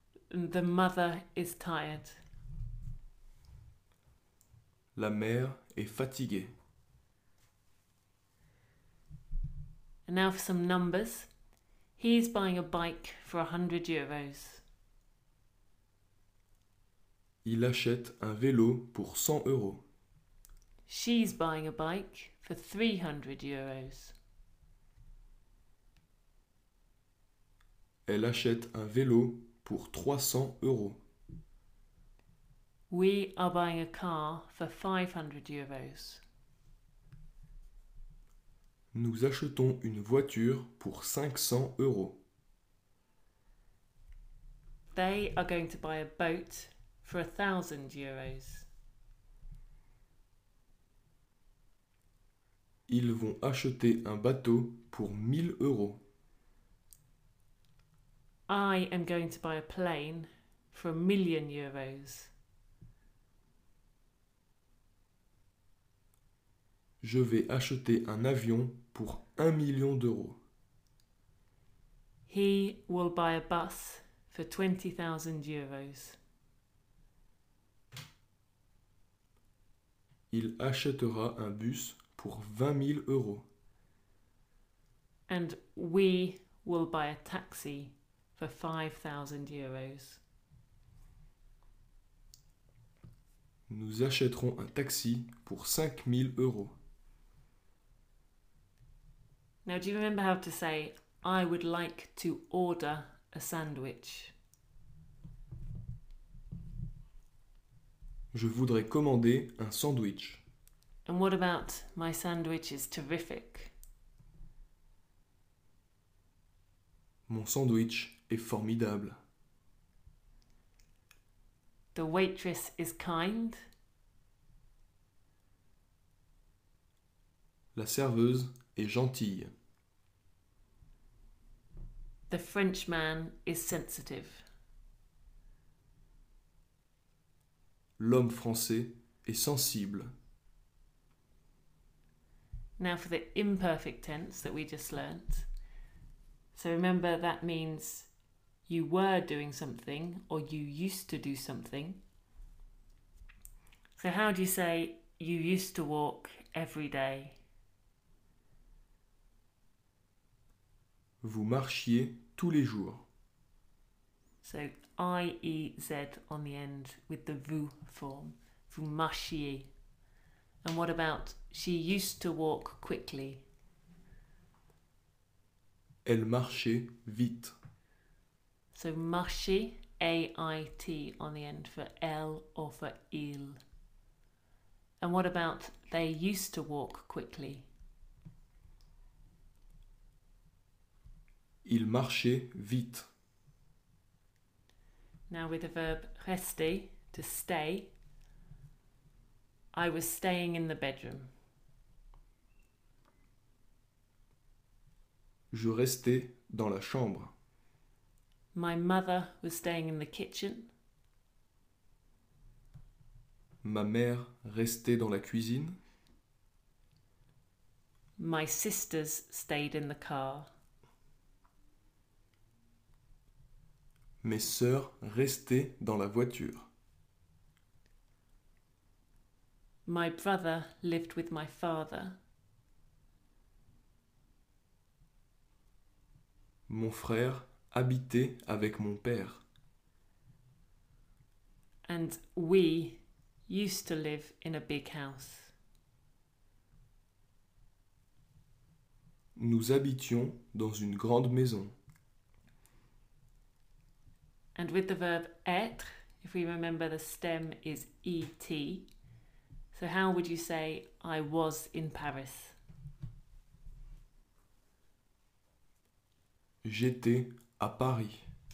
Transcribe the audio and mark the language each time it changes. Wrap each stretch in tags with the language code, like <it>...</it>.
<en>The mother is tired.</en> <fr>La mère est fatiguée.</fr> <en>And now for some numbers. He is buying a bike for 100 euros.</en> <fr>Il achète un vélo pour 100 euros.</fr> <en>She's buying a bike for 300 euros.</en> <fr>Elle achète un vélo pour 300 euros.</fr> <en>We are buying a car for 500 euros.</en> <fr>Nous achetons une voiture pour 500 euros.</fr> <en>They are going to buy a boat for 1,000 euros.</en> <fr>Ils vont acheter un bateau pour 1000 euros.</fr> <en>I am going to buy a plane for 1,000,000 euros.</en> <fr>Je vais acheter un avion pour 1,000,000 d'euros.</fr> <en>He will buy a bus for 20,000 euros.</en> <fr>Il achètera un bus pour 20,000 euros.</fr> <en>And we will buy a taxi for 5,000 euros.</en> <fr>Nous achèterons un taxi pour 5,000 euros.</fr> <en>Now, do you remember how to say, I would like to order a sandwich?</en> <fr>Je voudrais commander un sandwich.</fr> <en>And what about my sandwich is terrific?</en> <fr>Mon sandwich est formidable.</fr> <en>The waitress is kind.</en> <fr>La serveuse est gentille.</fr> <en>The French man is sensitive.</en> <fr>L'homme français est sensible.</fr> <en>Now for the imperfect tense that we just learnt. So remember that means you were doing something or you used to do something. So how do you say you used to walk every day?</en> <fr>Vous marchiez tous les jours.</fr> <en>So I-E-Z on the end with the vous form.</en> <fr>Vous marchiez.</fr> <en>And what about she used to walk quickly?</en> <fr>Elle marchait vite.</fr> <en>So marcher, A-I-T on the end for elle or for il. And what about they used to walk quickly?</en> <fr>Il marchait vite.</fr> <en>Now with the verb rester, to stay. I was staying in the bedroom.</en> <fr>Je restais dans la chambre.</fr> <en>My mother was staying in the kitchen.</en> <fr>Ma mère restait dans la cuisine.</fr> <en>My sisters stayed in the car.</en> <fr>Mes sœurs restaient dans la voiture.</fr> <en>My brother lived with my father.</en> <fr>Mon frère habitait avec mon père.</fr> <en>And we used to live in a big house.</en> <fr>Nous habitions dans une grande maison.</fr> <en>And with the verb être, if we remember the stem is et, so how would you say I was in Paris?</en> <fr>J'étais à Paris.</fr>